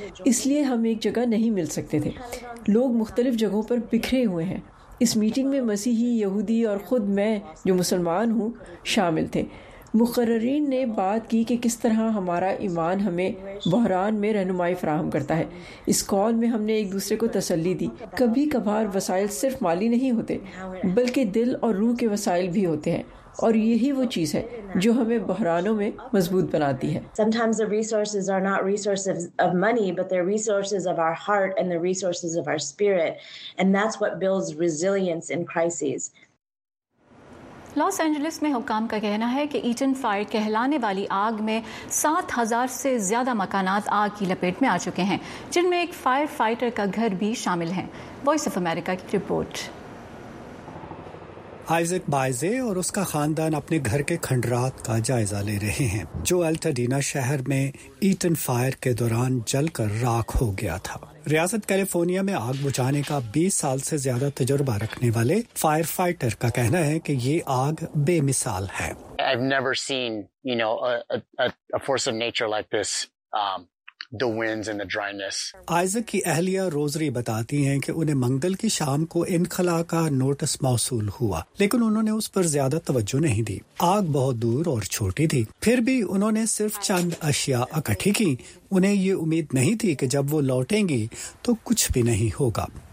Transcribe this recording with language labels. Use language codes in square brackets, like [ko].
[ur] اس لیے ہم ایک جگہ نہیں مل سکتے تھے۔ لوگ مختلف جگہوں پر بکھرے ہوئے ہیں۔ اس میٹنگ میں مسیحی، یہودی اور خود میں جو مسلمان ہوں شامل تھے۔ مقررین نے بات کی کہ کس طرح ہمارا ایمان ہمیں بحران میں رہنمائی فراہم کرتا ہے۔ اس کال میں ہم نے ایک دوسرے کو تسلی دی۔ کبھی کبھار وسائل صرف مالی نہیں ہوتے، بلکہ دل اور روح کے وسائل بھی ہوتے ہیں۔ اور یہی وہ چیز ہے جو ہمیں بحرانوں میں مضبوط بناتی ہے. [en] Sometimes the resources are not resources of money, but they're resources of our heart and the resources of our spirit, and that's what builds resilience in crises. [ur] Los Angeles میں حکام کا کہنا ہے کہ ایٹن فائر کہلانے والی آگ میں 7,000 سے زیادہ مکانات آگ کی لپیٹ میں آ چکے ہیں جن میں ایک فائر فائٹر کا گھر بھی شامل ہے. وائس آف امریکہ کی رپورٹ. آئزک بائزے اور اس کا خاندان اپنے گھر کے کھنڈرات کا جائزہ لے رہے ہیں جو الٹاڈینا شہر میں ایٹن فائر کے دوران جل کر راکھ ہو گیا تھا. ریاست کیلیفورنیا میں آگ بجھانے کا 20 سال سے زیادہ تجربہ رکھنے والے فائر فائٹر کا کہنا ہے کہ یہ آگ بے مثال ہے. [en] I've never seen, you know, a force of nature like this. The winds and the dryness. [ur] Isaac کی اہلیہ روزری بتاتی ہیں کہ انہیں منگل کی شام کو انخلا کا نوٹس موصول ہوا لیکن انہوں نے اس پر زیادہ توجہ نہیں دی. آگ بہت دور اور چھوٹی تھی, پھر بھی انہوں نے صرف چند اشیاء اکٹھی کی. انہیں یہ امید نہیں تھی کہ جب وہ لوٹیں گی تو کچھ بھی نہیں ہوگا.